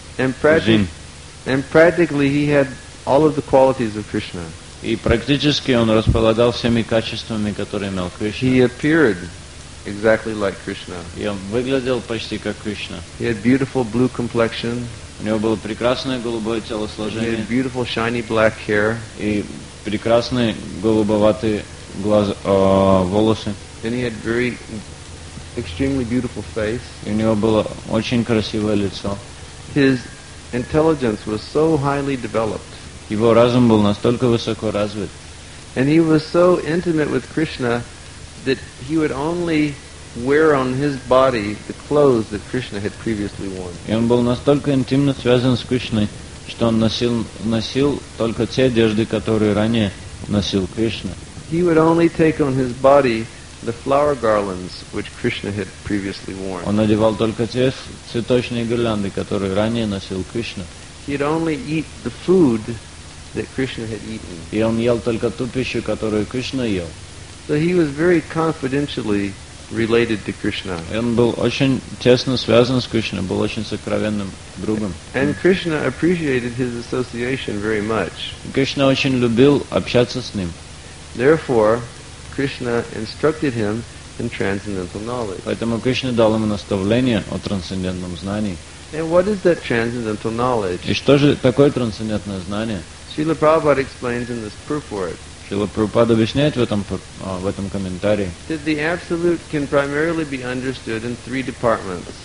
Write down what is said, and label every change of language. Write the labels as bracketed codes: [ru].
[en] And practically he had all of the qualities of Krishna. [ru] И практически он располагал всеми качествами, которые имел Кришна. [en] He appeared exactly like Krishna. [ru] И он выглядел почти как Кришна. [en] He had beautiful blue complexion. [ru] У него было прекрасное голубое телосложение. [en] He had beautiful shiny black hair. [ru] И прекрасные голубоватые волосы. [en] And he had very extremely beautiful face. [ru] И у него было очень красивое лицо. [en] His intelligence was so highly developed. [ru] Его разум был настолько высоко развит. [en] And he was so intimate with Krishna that he would only wear on his body the clothes that Krishna had previously worn. [ru] И он был настолько интимно связан с Кришной, что он носил только те одежды, которые ранее носил Кришна. [en] He would only take on his body the flower garlands which Krishna had previously worn. [ru] Он одевал только те цветочные гирлянды, которые ранее носил Кришна. [en] He'd only eat the food that Krishna had eaten. [ru] И он ел только ту пищу, которую Кришна ел. [en] So he was very confidentially related to Krishna. [ru] И он был очень тесно связан с Кришной, был очень сокровенным другом. [en] And Krishna appreciated his association very much. [ru] Кришна очень любил общаться с ним. [en] Therefore, Krishna instructed him in transcendental knowledge. [ru] Поэтому Кришна дал ему наставление о трансцендентном знании. [en] And what is that transcendental knowledge? [ru] И что же такое трансцендентное знание? [en] Srila Prabhupada explains in this purport. [ru] Srila Prabhupada объясняет в этом комментарии. [en] That the absolute can primarily be understood in three departments.